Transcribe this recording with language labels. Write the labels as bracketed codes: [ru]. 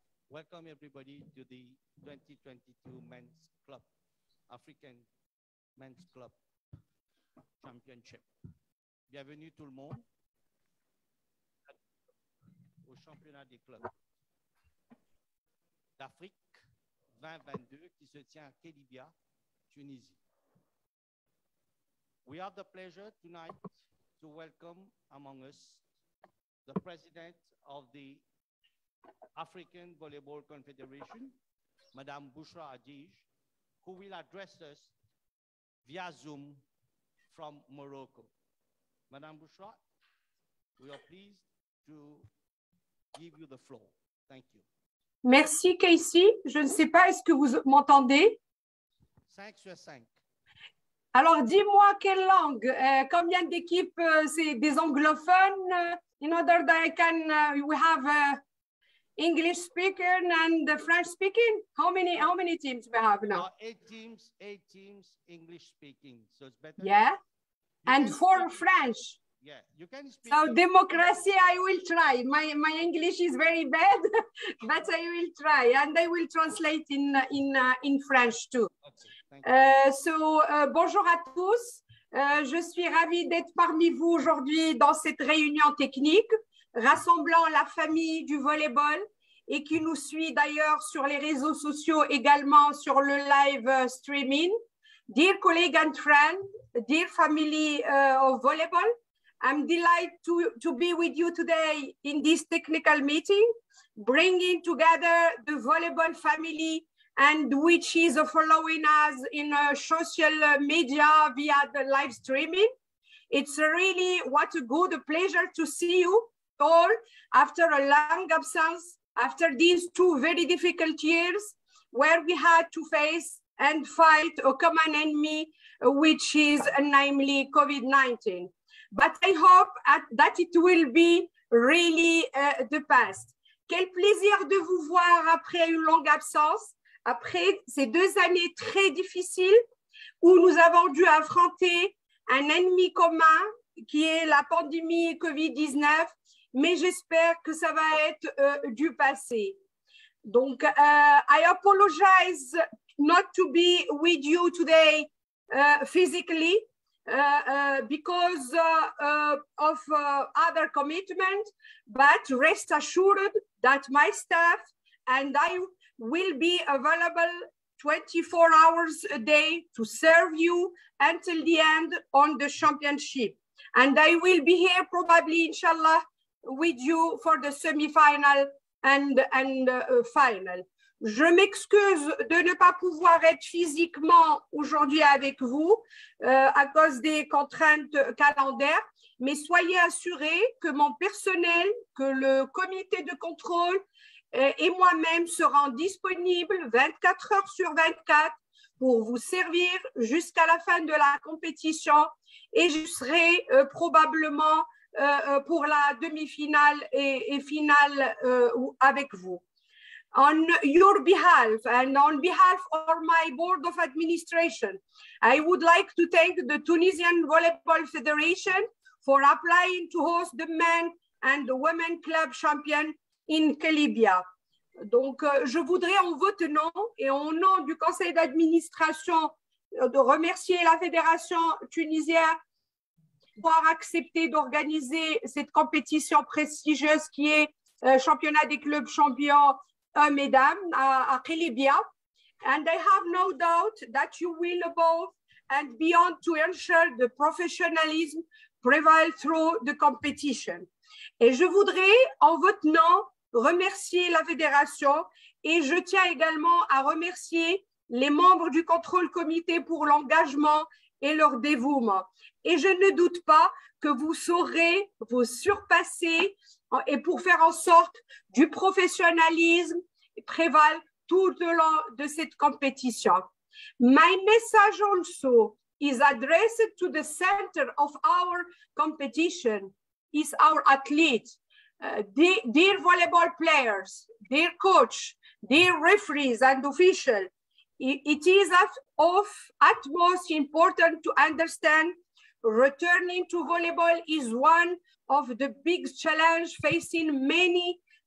[en] Welcome everybody to the 2022 Men's Club, African Men's Club Championship. [fr] Bienvenue tout le monde au championnat des clubs d'Afrique 2022 qui se tient à Kelibia, Tunisie. [en] We have the pleasure tonight to welcome among us the president of the African Volleyball Confederation, Madame Bushra Hadij, who will address us via Zoom from Morocco. Madame Bushra, we are pleased to give you the floor. Thank you. [fr] Merci, Casey. Je ne sais pas, est-ce que vous m'entendez? 5 sur 5. Alors, dis-moi quelle langue? Combien d'équipes? C'est des anglophones? [en] In order that I can, we have... English speaking and the French speaking. How many teams we have now? Eight teams, English speaking. So it's better. Yeah. And four French. Yeah, you can speak. So democracy, I will try. My English is very bad, but I will try. And I will translate in French too. Okay, thank you. [fr] Bonjour à tous. Je suis ravie d'être parmi vous aujourd'hui dans cette réunion technique, rassemblant la famille du volleyball et qui nous suit d'ailleurs sur les réseaux sociaux, également sur le live streaming. [en] Dear colleague and friend, dear family of volleyball, I'm delighted to be with you today in this technical meeting, bringing together the volleyball family and which is following us in social media via the live streaming. It's really what a good pleasure to see you all after a long absence, after these two very difficult years where we had to face and fight a common enemy, which is namely COVID-19. But I hope that it will be really the past. [fr] Quel plaisir de vous voir après une longue absence, après ces deux années très difficiles où nous avons dû affronter un ennemi commun qui est la pandémie COVID-19. Mais j'espère que ça va être du passé. [en] Donc, I apologize not to be with you today physically because of other commitments, but rest assured that my staff and I will be available 24 hours a day to serve you until the end on the championship. And I will be here probably, inshallah, with you for the semi-final and final. [fr] Je m'excuse de ne pas pouvoir être physiquement aujourd'hui avec vous à cause des contraintes calendaires, mais soyez assurés que mon personnel, que le comité de contrôle et moi-même serons disponibles 24 heures sur 24 pour vous servir jusqu'à la fin de la compétition et je serai probablement pour la demi-finale et finale avec vous. [en] On your behalf and on behalf of my board of administration, I would like to thank the Tunisian Volleyball Federation for applying to host the men and the women club champion in Kelibia. [fr] Donc, je voudrais en votre nom et au nom du conseil d'administration de remercier la fédération tunisienne d'avoir accepté d'organiser cette compétition prestigieuse qui est championnat des clubs champions hommes et dames à Kelibia. [en] And I have no doubt that you will above and beyond to ensure the professionalism prevail through the competition. [fr] Et je voudrais en votre nom remercier la fédération et je tiens également à remercier les membres du contrôle comité pour l'engagement et leur dévouement. Et je ne doute pas que vous saurez vous surpasser et pour faire en sorte du professionnalisme prévale tout au long de cette compétition. [en] My message also is addressed to the center of our competition, is our athletes, dear volleyball players, dear coach, dear referees and officials. It is of utmost important to understand returning to volleyball is one of the big challenges facing many